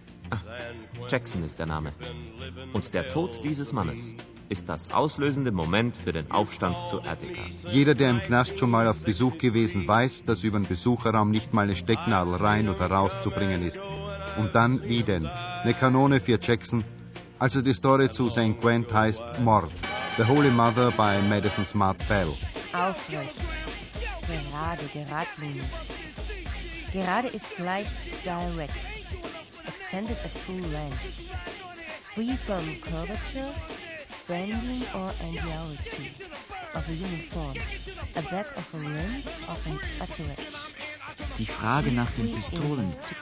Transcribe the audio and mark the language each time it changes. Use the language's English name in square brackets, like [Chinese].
[German] Ah, Jackson ist der Name. Und der Tod dieses Mannes ist das auslösende Moment für den Aufstand zu Attica. Jeder, der im Knast schon mal auf Besuch gewesen, weiß, dass über den Besucherraum nicht mal eine Stecknadel rein oder raus zu bringen ist. Und dann, wie denn? Eine Kanone für Jackson? Also die Story zu St. Quentin heißt Mord. [English] The Holy Mother by Madison Smart Bell. [German] Aufruf. Gerade, geradlinig. Gerade ist gleich direct. [English] Extended at full length. Free from curvature, bending or angularity of a human form. A back of a limb of an utterance. [German] Die Frage nach den Pistolen.